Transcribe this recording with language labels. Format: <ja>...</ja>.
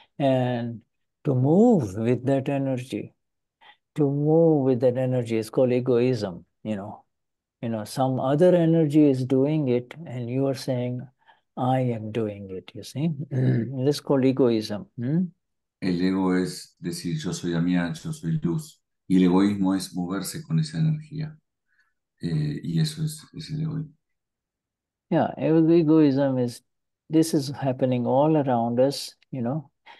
<en>And to move with that energy, to move with that energy is called egoism, you know. you know, some other energy is doing it and you are saying, I am doing it, you see? Mm-hmm. This is called egoism.</en> <es>El ego es decir, yo soy Damián, yo soy luz. Y el egoísmo es moverse con esa energía. Y eso es el egoísmo.</es> <en>Yeah, egoism is, this is happening all around us, you know?</en>